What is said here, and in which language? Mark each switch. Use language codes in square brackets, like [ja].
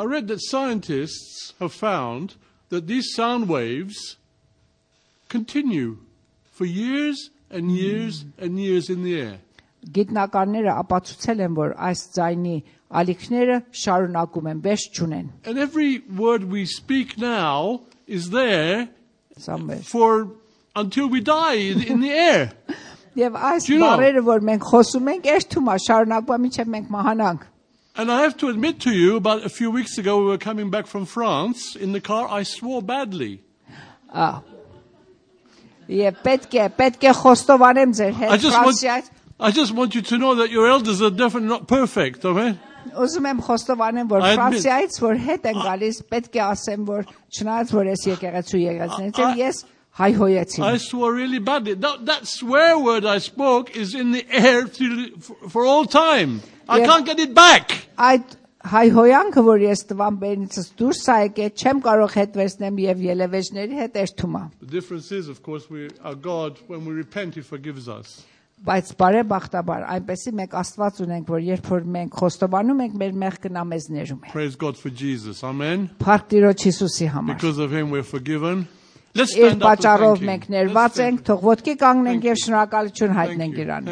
[en] I read that scientists have found that these sound waves continue for years and years and years in the air. [hy] Գիտնականները ապացուցել են, որ այս ձայնի ալիքները շարունակում են, վերջ չունեն։ [en] And every word we speak now is there somewhere for until we die in the air. [hy] Եվ այս բառերը, որ մենք խոսում ենք, երթում է շարունակվում ոչ մինչև մենք մահանանք։ [en] And I have to admit to you, about a few weeks ago we were coming back from France in the car, I swore badly. [hy] Եվ պետք է խոստովանեմ ձեր հետ Ֆրանսիայից։ [en] I just want you to know that your elders are definitely not perfect, okay? [hy] Ուզում եմ խոստովանեմ, որ Ֆրանսիայից, որ հետ են գալիս, պետք է ասեմ, որ չնայած որ ես եկեղեցու եկածնից եմ, ես հայ հոյացին։ [en] I swore really badly. That swear word I spoke is in the air for all time. I can't get it back. [hy] Այդ հայ հոյանքը, որ ես տվամ բերնից դուրս ա եկել, չեմ կարող հետ վերցնեմ եւ ելևեջների հետ երթում ա։ [en] The difference is, of course, we are God, when we repent he forgives us. [hy] Բայց բարեբախտաբար այնպեսի մեկ Աստված ունենք, որ երբ որ մենք խոստովանում ենք, մեր մեղքը նա մեզ ներում է։ [en] Praise God for Jesus. Amen. [hy] Փառք Տիրոջ Հիսուսի համար։ [en] Because of him we're forgiven. Let's stand up. Իսկ [hy] պատճառով մենք ներված ենք, թող ոտքի կանգնենք եւ շնորհակալություն հայտնենք իրանից։